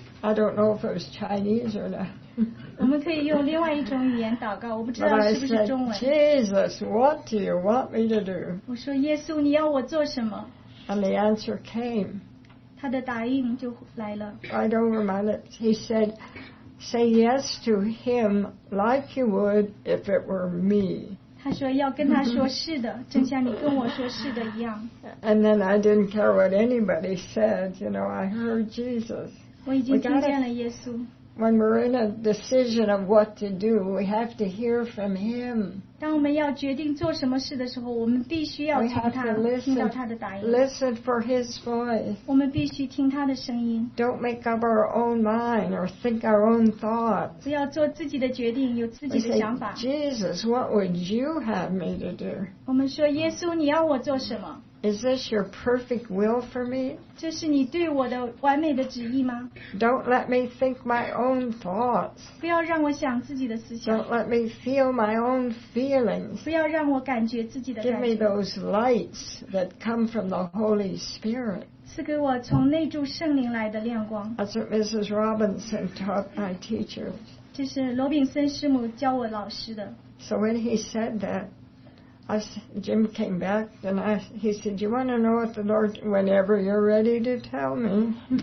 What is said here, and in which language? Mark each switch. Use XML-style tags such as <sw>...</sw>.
<en>I don't know if it was Chinese or not.</en> <zh>我们可以用另外一种语言祷告, 我不知道是不是中文。</zh> <en>Jesus, what do you want me to do?</en> <zh>我说耶稣你要我做什么?</zh> <en>And the answer came.</en> <zh>他的答应就来了。</zh> <en>Right over my lips. He said, say yes to him like you would if it were me.</en> <zh>他说要跟他说是的, 正像你跟我说是的一样。</zh> <en>And then I didn't care what anybody said. You know, I heard Jesus.</en> <zh>我已经听见了耶稣。</zh> <en>When we're in a decision of what to do, we have to hear from him.</en> <zh>当我们要决定做什么事的时候, 我们必须要从他,</zh> <en>we have to listen,</en> <zh>听到他的答应。</zh> <en>Listen for his voice.</en> <zh>我们必须听他的声音。</zh> <en>Don't make up our own mind or think our own thoughts.</en> <zh>不要做自己的决定, 有自己的想法。</zh> <en>We say, Jesus, what would you have me to do?</en> <zh>我们说, 耶稣, 你要我做什么?</zh> <en>Is this your perfect will for me?</en> <zh>这是你对我的完美的旨意吗?</zh> <en>Don't let me think my own thoughts.</en> <zh>不要让我想自己的思想。</zh> <en>Don't let me feel my own feelings.</en> <zh>不要让我感觉自己的感觉。</zh> <en>Give me those lights that come from the Holy Spirit.</en> <zh>赐给我从内住圣灵来的亮光。</zh> <en>That's what Mrs. Robinson taught my teacher.</en> <zh>这是罗宾森师母教我老师的。</zh> <en>So when he said that, Jim came back and he said, do you want to know what the Lord, whenever you're ready to tell me?</en>